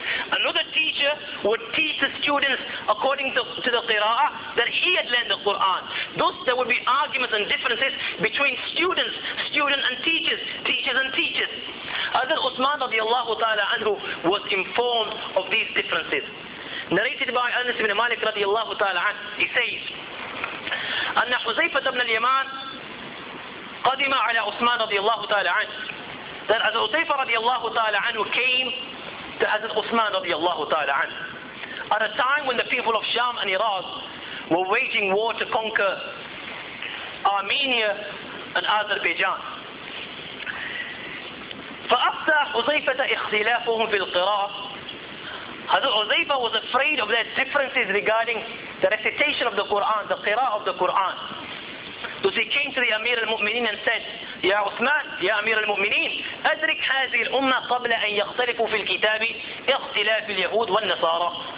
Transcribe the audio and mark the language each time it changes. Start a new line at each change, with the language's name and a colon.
English: Another teacher would teach the students according to the qira'ah that he had learned the Qur'an. Thus, there would be arguments and differences between students, student and teachers, teachers and teachers. Hazrat Uthman radiallahu ta'ala anhu was informed of these differences. Narrated by Anas ibn Malik radiallahu ta'ala anhu, he says,
Arabic: أن حزيفة بن اليمان قدم على عثمان رضي الله تعالى عنه.
English: That Hazrat Huzayfa رضي radiallahu ta'ala anhu came to Hazrat Uthman radiallahu ta'ala anhu at a time when the people of Sham and Iraq were waging war to conquer Armenia and Azerbaijan.
Arabic: فأفتى حزيفة اختلافهم في القراءة.
English: Hazrat Huzayfa was afraid of their differences regarding the recitation of the Quran, the qira'ah of the Quran. So he came to the Amir al-Mu'mineen and said, Ya Uthman, Ya Amir al-Mu'mineen,
Arabic: أدرك هذه الأمة قبل أن يختلفوا في الكتاب اختلاف اليهود والنصارى.